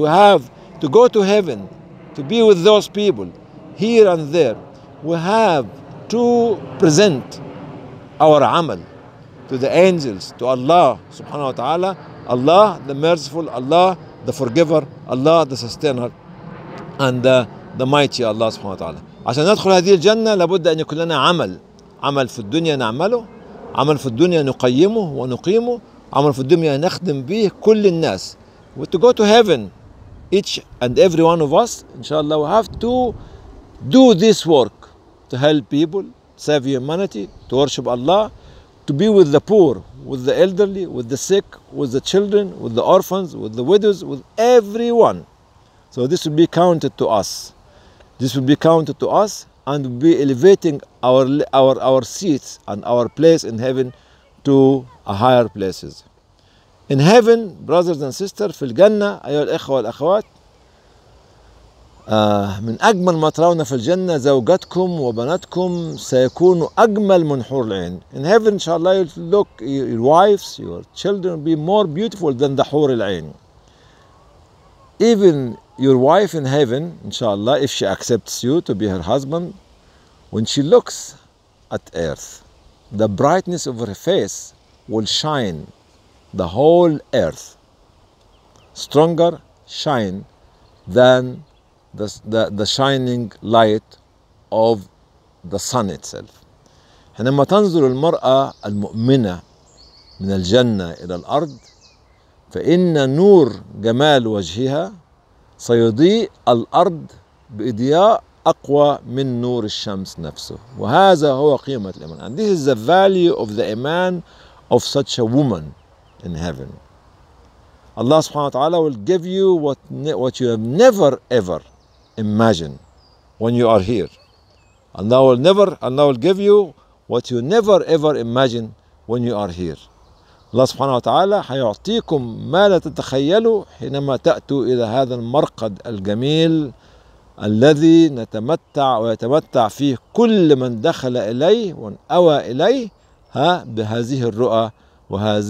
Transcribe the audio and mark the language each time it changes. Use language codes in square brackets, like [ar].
[en] We have to go to heaven to be with those people here and there. We have to present our عمل to the angels, to Allah [ar] سبحانه وتعالى. [en] Allah the merciful, Allah the forgiver, Allah the sustainer, and the mighty Allah subhanahu wa ta'ala. [ar] عشان ندخل هذه الجنة لابد أن يكون لنا عمل، عمل في الدنيا نعمله، عمل في الدنيا نقيمه ونقيمه، عمل في الدنيا نخدم به كل الناس. [en] We to go to heaven, each and every one of us, inshallah, we have to do this work to help people, save humanity, to worship Allah, to be with the poor, with the elderly, with the sick, with the children, with the orphans, with the widows, with everyone. So this will be counted to us. This will be counted to us and will be elevating our seats and our place in heaven to a higher places. In heaven, brothers and sisters, [ar] في الجنة أيها الأخوة والأخوات، من أجمل ما ترون في الجنة زوجتكم وبناتكم سيكون أجمل منحور العين. [en] In heaven, inshallah, you'll look, your wives, your children will be more beautiful than the حور العين. Even your wife in heaven, inshallah, if she accepts you to be her husband, when she looks at earth, the brightness of her face will shine the whole earth. Stronger shine than the shining light of the sun itself. [ar] حينما تنظر المرأة المؤمنة من الجنة إلى الأرض فإن نور جمال وجهها سيضيء الأرض بإضياء أقوى من نور الشمس نفسه. وهذا هو قيمة الإيمان. [en] And this is the value of the iman of such a woman in heaven. Allah subhanahu wa ta'ala will give you what you have never ever imagine when you are here. Allah will give you what you never ever imagine when you are here. [ar] Allah subhanahu wa ta'ala حيعطيكم ما لا تتخيلوا حينما تأتوا إلى هذا المرقد الجميل الذي نتمتع ويتمتع فيه كل من دخل إليه وأوى إليه بهذه الرؤى وهذه